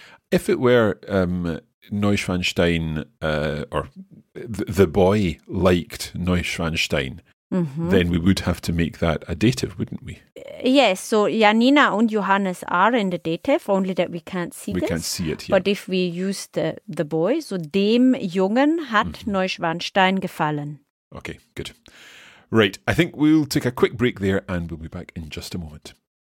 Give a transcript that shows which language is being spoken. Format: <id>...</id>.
<en>If it were Neuschwanstein, or the boy liked Neuschwanstein, then we would have to make that a dative, wouldn't we? Yes, so Janina und Johannes are in the dative, only that we can't see this. We can't see it, yeah. But if we use the boy,</en> <de>so dem Jungen hat Neuschwanstein gefallen.</de> <en>Okay, good. Right, I think we'll take a quick break there and we'll be back in just a moment.</en>